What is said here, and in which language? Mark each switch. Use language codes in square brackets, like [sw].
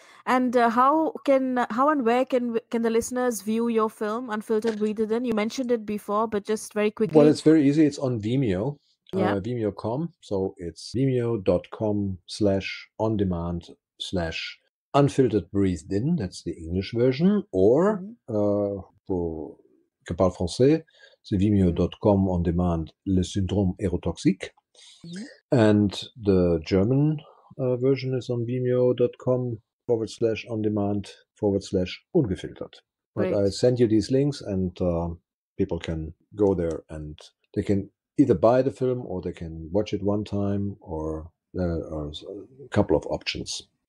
[en] And how and where can the listeners view your film, Unfiltered, Read It In? You mentioned it before, but just very Well, quickly. it's very easy. It's on Vimeo, Yeah. Vimeo.com. So it's vimeo.com/on-demand/unfiltered-breathed-in. That's the English version. [fr] Or pour que parle français, c'est vimeo.com on demand le syndrome érotoxique. [en] And the German version is on vimeo.com/on-demand/ungefiltert. But I Great. send you these links and people can go there and they can either buy the film or they can watch it one time, or there are a couple of options.